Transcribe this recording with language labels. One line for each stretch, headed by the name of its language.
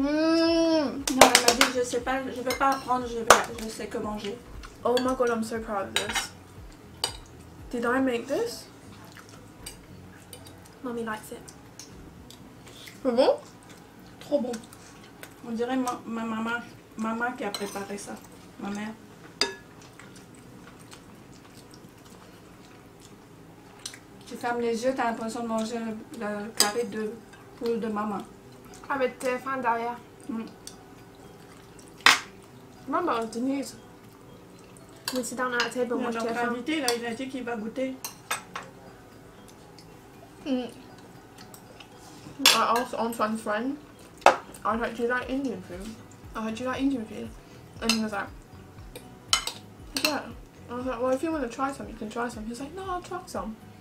French: Non, elle m'a dit, je sais pas, je vais pas apprendre, je sais que manger.
English: Oh my god, I'm so proud of this. Did I make this? Mommy likes it.
French: C'est bon? Trop bon. On dirait ma maman qui a préparé ça. Ma mère. Tu fermes les yeux, t'as l'impression de manger le carré de poule de maman. Avec le téléphone derrière. Maman, Denise. Oui, c'est dans la table. Il y a notre invité, là, il a dit qu'il va goûter.
English: I asked Antoine's friend, I heard you like Indian food. And he was like, yeah. And I was like, well, if you want to try some, you can try some. He was like, no, I'll try some.